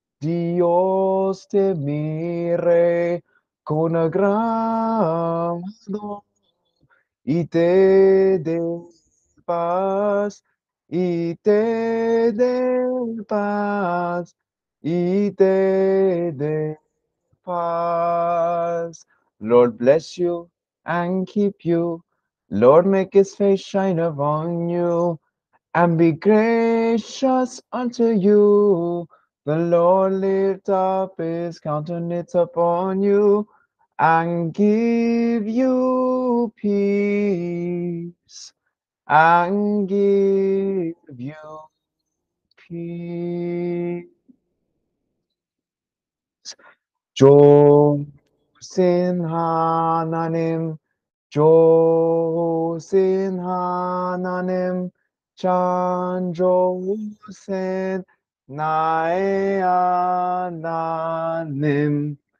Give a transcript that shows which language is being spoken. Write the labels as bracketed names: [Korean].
[Spanish] Dios te mire con agrado y te dé paz, y te dé paz, y te dé paz. [English] Lord bless you and keep you. Lord make his face shine upon you and be gracious unto you. The Lord lift up his countenance upon you and give you peace, and give you peace. [Korean] 좋으신 하나님, 좋으신 하나님, 참 좋으신 나의 하나님.